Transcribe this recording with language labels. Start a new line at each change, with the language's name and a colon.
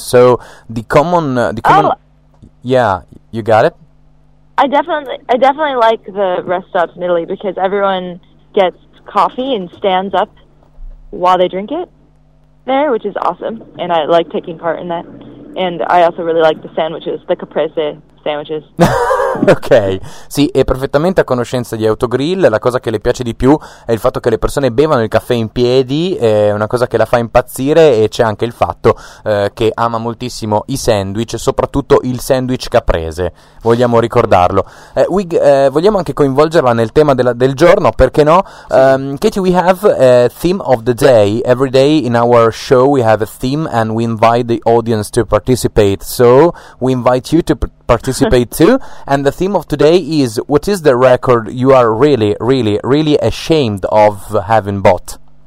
English: So you got it. I definitely like the rest stops in Italy because everyone gets coffee and stands up while they drink it there, which is awesome, and I like taking part in that. And I also really like the sandwiches, the caprese.
Italian: Okay, sì, è perfettamente a conoscenza di autogrill. La cosa che le piace di più è il fatto che le persone bevano il caffè in piedi, è una cosa che la fa impazzire, e c'è anche il fatto che ama moltissimo i sandwich, soprattutto il sandwich caprese, vogliamo ricordarlo. Vogliamo anche coinvolgerla nel tema del giorno, perché no?
English: Katie, we have a theme of the day. Every day in our show we have a theme and we invite the audience to participate, so we invite you to participate too, and the theme of today is: what is the record you are really, really, really ashamed of having bought?